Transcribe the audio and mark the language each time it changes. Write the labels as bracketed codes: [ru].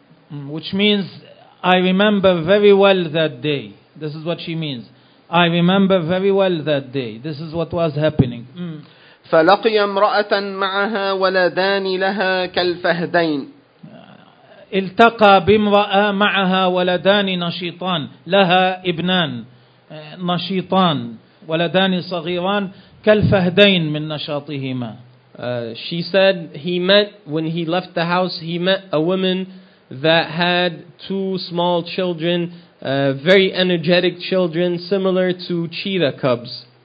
[en] Which means, I remember very well that day. This is what she means. I remember very well that day. This is what was happening. [ar] فلقي امرأة معها ولدان لها كالفهدين. التقى بامرأة معها ولدان نشيطان لها ابنان نشيطان ولدان صغيران كالفهدين من نشاطهما. [en] She said he met, when he left the house, he met a woman that had two small children, very energetic children, similar to cheetah cubs.